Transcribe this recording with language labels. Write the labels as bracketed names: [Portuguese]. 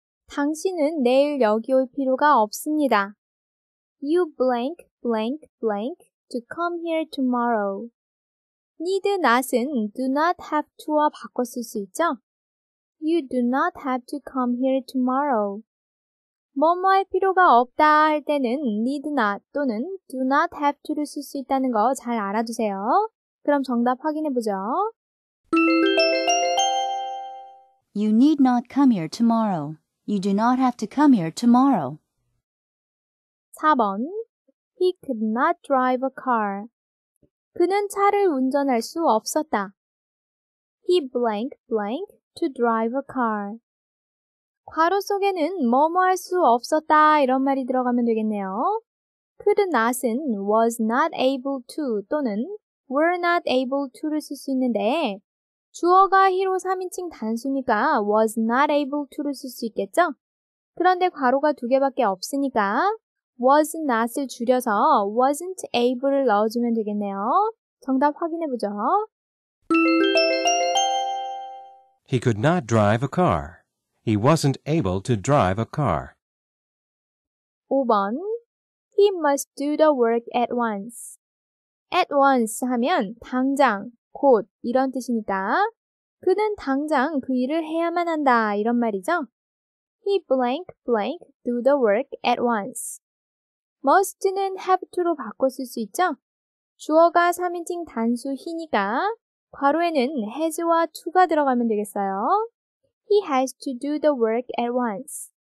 [Korean] 당신은 내일 여기 올 필요가 없습니다. [English] You blank blank blank to come here tomorrow. Need not [Korean] 은 [English] do not have to [Korean] 와 바꿔 쓸 수 있죠? [English] You do not have to come here tomorrow. [Korean] 뭐뭐 할 필요가 없다 할 때는 [English] need not [Korean] 또는 [English] do not have to [Korean] 를 쓸 수 있다는 거 잘 알아두세요. 그럼 정답 확인해 보죠. [English] You need not come here tomorrow. You do not have to come here tomorrow. 4번. He could not drive a car. [Korean] 그는 차를 운전할 수 없었다. [English] He blank blank to drive a car. [Korean] 괄호 속에는 뭐뭐 할 수 없었다 이런 말이 들어가면 되겠네요. [English] Could not [Korean] 은 [English] was not able to [Korean] 또는 [English] were not able to [Korean] 를 쓸 수 있는데 주어가 히로 3인칭 단수니까 was not able to를 쓸 수 있겠죠? 그런데 괄호가 두 개밖에 없으니까 [English] was not [Korean] 을 줄여서 [English] wasn't able [Korean] 를 넣어주면 되겠네요. 정답 확인해보죠. [English] He could not drive a car. He wasn't able to drive a car. 5번. He must do the work at once. At once [Korean] 하면 당장. 곧 이런 뜻이니까 그는 당장 그 일을 해야만 한다 이런 말이죠. [English] He blank blank do the work at once. [Korean] Must는 [English] have to [Korean] 로 바꿔 쓸 수 있죠. 주어가 3인칭 단수 he니까 괄호에는 has와 to가 들어가면 되겠어요. [English] He has to do the work at once.